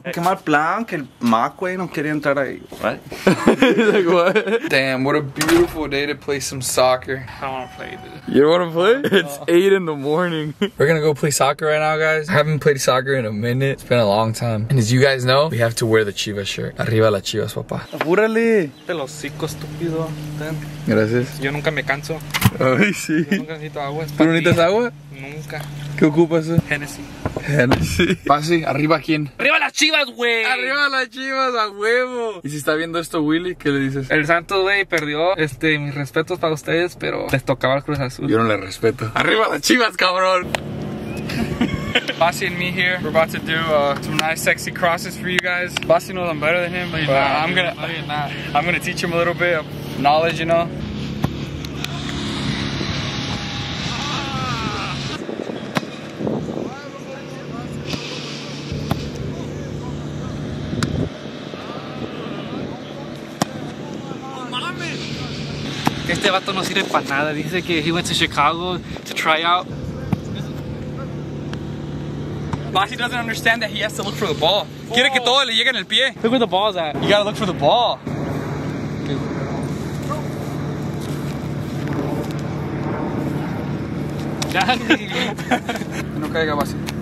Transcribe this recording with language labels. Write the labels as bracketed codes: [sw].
[es] Que mal plan que el Mac, güey, no quería entrar ahí. [en] What? He's like, what? Damn, what a beautiful day to play some soccer. I don't wanna play, dude. You don't wanna play? It's 8 in the morning. We're gonna go play soccer right now, guys. I haven't played soccer in a minute. It's been a long time. And as you guys know, we have to wear the Chivas shirt. [es] Arriba la Chivas, papá. Apúrale. Te lo sico, estúpido. Ten. Gracias. Yo nunca me canso. Ay, sí. Yo nunca necesito agua. ¿Tú no necesitas agua? Nunca. ¿Qué ocupas? Genesis. Genesis. Pasi, ¿arriba quién? ¡Arriba las Chivas, güey! ¡Arriba las Chivas, a huevo! ¿Y si está viendo esto Willy, qué le dices? El Santos, güey, perdió. Mis respetos para ustedes, pero les tocaba el Cruz Azul. Yo no le respeto. ¡Arriba las Chivas, cabrón! [en] Bossy and me here. We're about to do some nice, sexy crosses for you guys. Bossy knows I'm better than him, but you know, I'm gonna teach him a little bit of knowledge, you know. [es] Este vato no sirve para nada. Dice que [en] he went to Chicago to try out. Bossy doesn't understand that he has to look for the ball. Oh. [es] Quiere que todo le llegue en el pie. [en] Look where the ball is at. You gotta look for the ball. [es] No caiga, Bossy.